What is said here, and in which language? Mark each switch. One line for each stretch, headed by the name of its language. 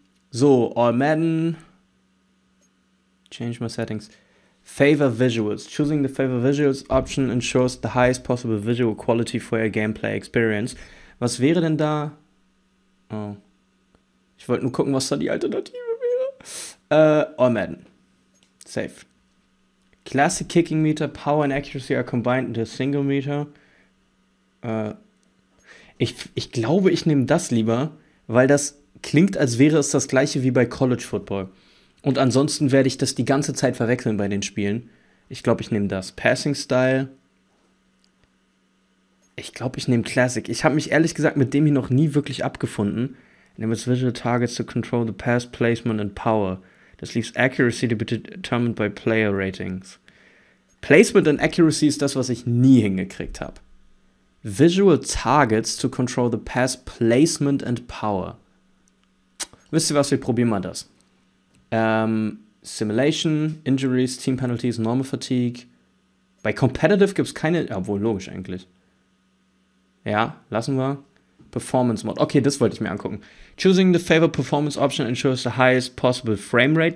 English: So, All Madden. Change my settings. Favor Visuals. Choosing the Favor Visuals option ensures the highest possible visual quality for your gameplay experience.
German: Was wäre denn da? Oh. Ich wollte nur gucken, was da die Alternative.
English: All Madden. Safe. Classic Kicking Meter, Power and Accuracy are combined into a single meter.
German: Ich glaube, ich nehme das lieber, weil das klingt, als wäre es das gleiche wie bei College Football. Und ansonsten werde ich das die ganze Zeit verwechseln bei den Spielen. Ich glaube, ich nehme das. Passing Style. Ich glaube, ich nehme Classic. Ich habe mich ehrlich gesagt mit dem hier noch nie wirklich abgefunden.
English: Name its visual targets to control the pass placement and power. This leaves accuracy to be determined by player ratings. Placement and accuracy
German: ist das, was ich nie hingekriegt habe.
English: Visual targets to control the pass placement and power.
German: Wisst ihr was, wir probieren mal das.
English: Simulation, injuries, team penalties, normal fatigue.
German: Bei competitive gibt es keine, obwohl logisch eigentlich. Ja, lassen wir. Performance Mod. Okay, das wollte ich mir angucken.
English: Choosing the favorite performance option ensures the highest possible frame rate.